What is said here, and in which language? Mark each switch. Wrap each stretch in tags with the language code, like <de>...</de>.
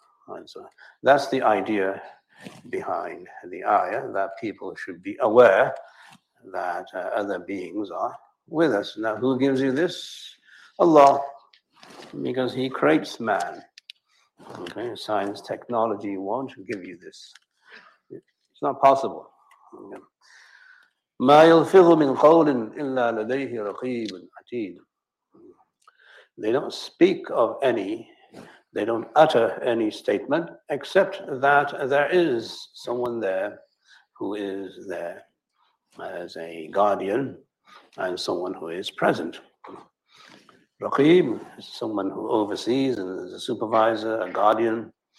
<en>And so that's the idea behind the ayah, that people should be aware that other beings are with us. Now, who gives you this? Allah, because He creates man. Okay, science, technology won't give you this. It's not possible.</en> <ar>ما يلفظ من قول إلا لديه رقيب عتيد.</ar> <en>They don't speak of any, they don't utter any statement, except that there is someone there who is there as a guardian and someone who is present. Raqib is someone who oversees and is a supervisor, a guardian.</en>